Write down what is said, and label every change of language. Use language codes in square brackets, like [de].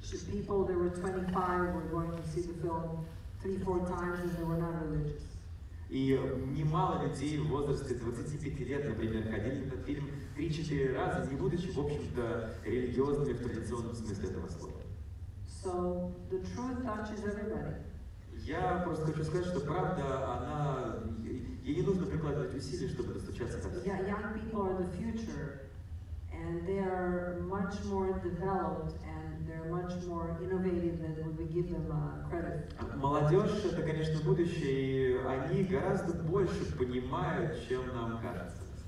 [en] People that were 25 were going to see the film 3-4 times and they were not religious. [ru] И немало людей в возрасте 25 лет, например, ходили на этот фильм 3-4 раза, не будучи, в общем-то, религиозными в традиционном смысле этого слова. [en] So, the truth touches everybody. [ru] Я просто хочу сказать, что правда, она... Ей не нужно прикладывать усилия, чтобы достучаться до всех. [en] Young people are the future, and they are much more developed, and they're much more innovative than we give them credit. [ru] Молодежь — это, конечно, будущее, и они гораздо больше понимают, чем нам кажется.